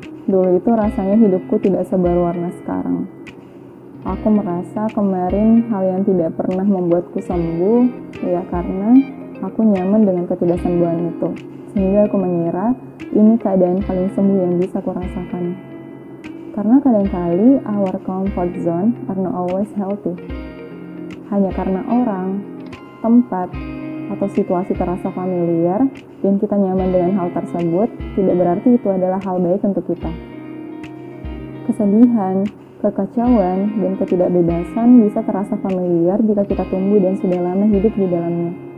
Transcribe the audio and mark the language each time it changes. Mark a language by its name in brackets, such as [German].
[Indonesian] Dulu itu rasanya hidupku tidak sebarwarna sekarang. Aku merasa kemarin hal yang tidak pernah membuatku sembuh, ya karena aku nyaman dengan ketidaksembuhan itu, sehingga aku mengira ini keadaan paling sembuh yang bisa kurasakan. Karena kadangkali [English] our comfort zone are not always healthy. [Indonesian] Hanya karena orang, tempat, atau situasi terasa familiar dan kita nyaman dengan hal tersebut, tidak berarti itu adalah hal baik untuk kita. Kesedihan, kekacauan, dan ketidakbebasan bisa terasa familiar jika kita tumbuh dan sudah lama hidup di dalamnya.